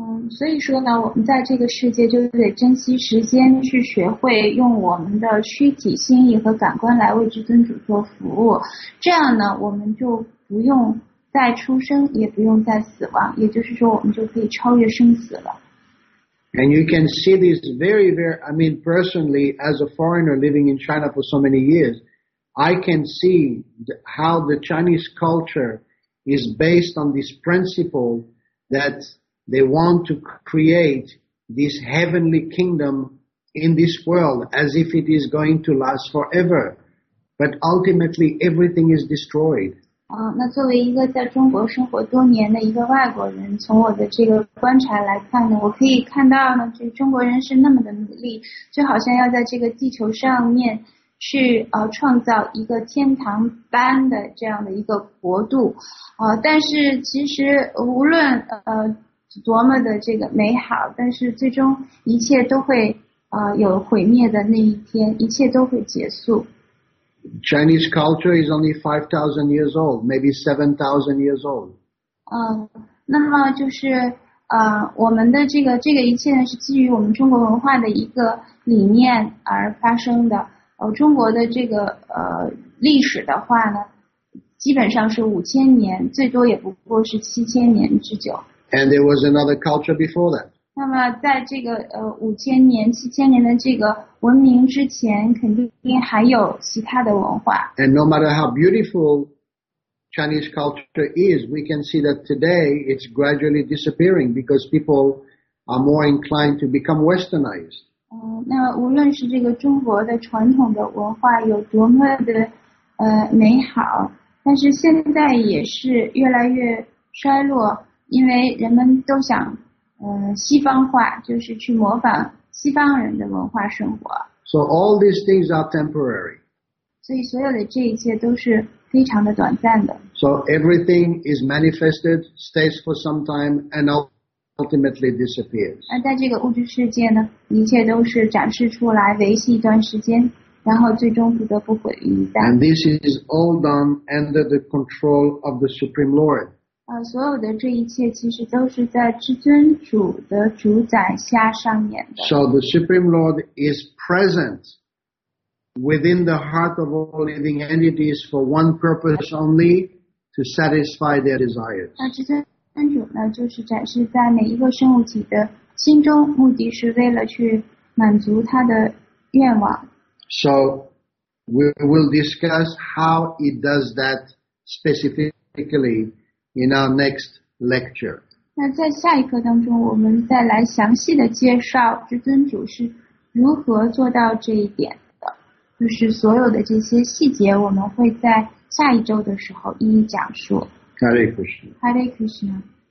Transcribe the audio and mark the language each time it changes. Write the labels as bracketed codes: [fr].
[zh] 所以说呢，我们在这个世界就得珍惜时间，去学会用我们的躯体、心意和感官来为至尊主做服务。这样呢，我们就不用再出生，也不用再死亡，也就是说，我们就可以超越生死了。 [en] And you can see this very, very, I mean, personally, as a foreigner living in China for so many years, I can see how the Chinese culture is based on this principle that they want to create this heavenly kingdom in this world as if it is going to last forever. But ultimately, everything is destroyed. [zh] 那作为一个在中国生活多年的一个外国人，从我的这个观察来看呢，我可以看到呢，就中国人是那么的努力，就好像要在这个地球上面去创造一个天堂般的这样的一个国度。但是其实无论多么的这个美好，但是最终一切都会有毁灭的那一天，一切都会结束。 [en] Chinese culture is only 5,000 years old, maybe 7,000 years old. [zh] 那么就是我们的这个一切是基于我们中国文化的一个理念而发生的。中国的这个历史的话呢，基本上是5000年，最多也不过是7000年之久。 [en] And there was another culture before that. [zh] 那么在这个5000年、7000年的这个文明之前，肯定还有其他的文化。 [en] And no matter how beautiful Chinese culture is, we can see that today it's gradually disappearing because people are more inclined to become westernized. [zh] 那无论是这个中国的传统的文化有多么的美好，但是现在也是越来越衰落。因为人们都想西方化，就是去模仿西方人的文化生活。 [en] So all these things are temporary. [zh] 所以所有的这一切都是非常的短暂的。 [en] So everything is manifested, stays for some time, and ultimately disappears. [zh] 而在这个物质世界呢，一切都是展示出来，维系一段时间，然后最终不得不毁于一旦。 [en] And this is all done under the control of the Supreme Lord. [zh] 所有的这一切其实都是在至尊主的主宰下上演的。 [en] So the Supreme Lord is present within the heart of all living entities for one purpose only, to satisfy their desires. [zh] 那至尊主呢，就是展示在每一个生物体的心中，目的是为了去满足他的愿望。 [en] So we will discuss how it does that specifically in our next lecture. [zh] 那在下一课当中，我们再来详细的介绍至尊主是如何做到这一点的，就是所有的这些细节，我们会在下一周的时候一一讲述。 [sa] Hare Krishna. Hare Krishna.